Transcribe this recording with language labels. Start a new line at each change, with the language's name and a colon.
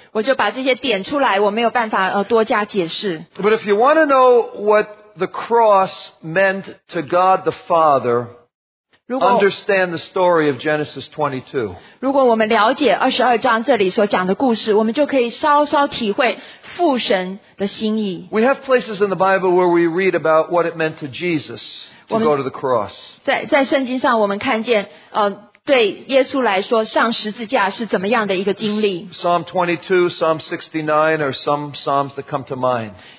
Chinese: 我就把这些点出来, 我没有办法, 多加解释。
English: But if you want to know what the cross meant to God the Father, understand the story of Genesis 22.
Chinese: 如果我们了解22章这里所讲的故事, 我们就可以稍稍体会父神的心意。
English: We have places in the Bible where we read about what it meant to Jesus to go to the cross.
Chinese: 在圣经上我们看见, 对耶稣来说上十字架是怎么样的一个经历。
English: Psalm 22, Psalm 69 are some psalms that come to mind.